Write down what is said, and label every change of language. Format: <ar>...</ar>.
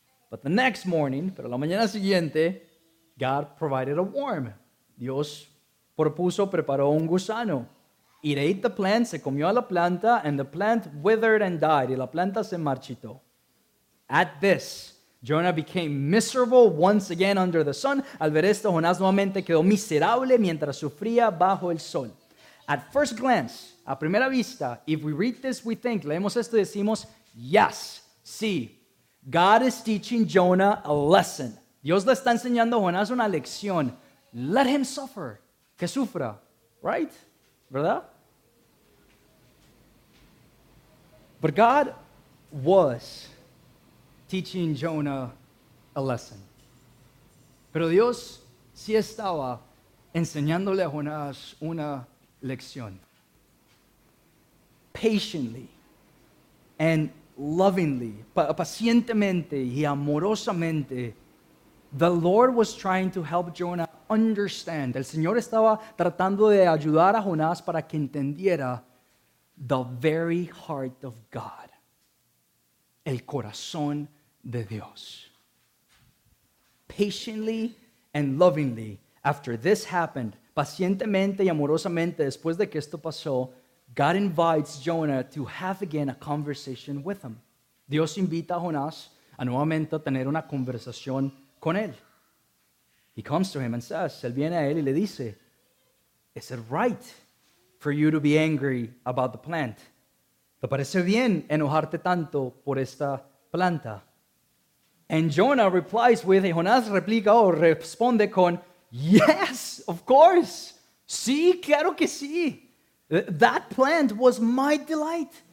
<en>But the next morning,</en> <es>pero la mañana siguiente,</es> <en>God provided a worm.</en> <es>Dios propuso, preparó un gusano.</es> <en>It ate the plant,</en> <es>se comió a la planta,</es> <en>and the plant withered and died.</en> <es>Y la planta se marchitó.</es> <en>At this, Jonah became miserable once again under the sun.</en> <es>Al ver esto, Jonás nuevamente quedó miserable mientras sufría bajo el sol.</es> <en>At first glance,</en> <es>a primera vista,</es> <en>if we read this, we think,</en> <es>leemos esto y decimos,</es> <en>yes,</en> <es>sí,</es> <en>God is teaching Jonah a lesson.</en> <es>Dios le está enseñando a Jonás una lección.</es> <en>Let him suffer.</en> <es>Que sufra,</es> <en>right?</en> <es>¿Verdad?</es> <en>But God was teaching Jonah a lesson.</en> <es>Pero Dios sí estaba enseñándole a Jonás una lección.</es> <en>Patiently and lovingly,</en> <es>pacientemente y amorosamente,</es> <en>the Lord was trying to help Jonah understand.</en> <es>El Señor estaba tratando de ayudar a Jonás para que entendiera</es> <en>the very heart of God,</en> <es>el corazón de Dios.</es> <en>Patiently and lovingly, after this happened,</en> <es>pacientemente y amorosamente, después de que esto pasó,</es> <en>God invites Jonah to have again a conversation with him.</en> <es>Dios invita a Jonás a nuevamente tener una conversación con él.</es> <en>He comes to him and says,</en> <es>él viene a él y le dice,</es> <en>is it right for you to be angry about the plant?</en> <es>¿Te parece bien enojarte tanto por esta planta?</es> <en>And Jonah replies with,</en> <es>y Jonás replica o responde con,</es> <en>yes, of course.</en> <es>Sí, claro que sí.</es> <en>That plant was my delight.</en>